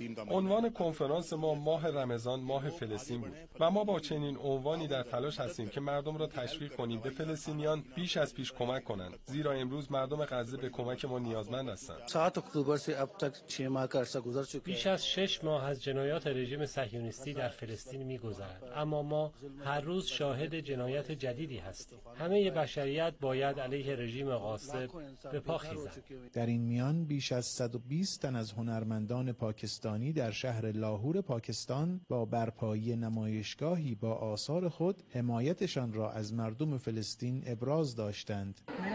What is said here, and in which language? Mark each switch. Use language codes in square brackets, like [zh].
[fa] عنوان کنفرانس ما ماه رمضان، ماه فلسطین بود و ما با چنین عنوانی در تلاش هستیم که مردم را تشویق کنیم به فلسطینیان بیش از پیش کمک کنند، زیرا امروز مردم غزه به کمک ما نیازمند هستند. [ur] 7 اکتبر سے اب تک 6 ماہ کا عرصہ گزر چکا ہے. [fa] بیش از 6 ماه از جنایات رژیم صهیونیستی در فلسطین می‌گذرد، اما ما هر روز شاهد جنایت جدیدی هستیم. همه بشریت باید علیه رژیم غاصب به پا خیزد. در این میان بیش از 120 تن از هنرمندان پاکستانی در شهر لاهور پاکستان با برپایی نمایشگاهی با آثار خود حمایتشان را از مردم فلسطین ابراز داشتند.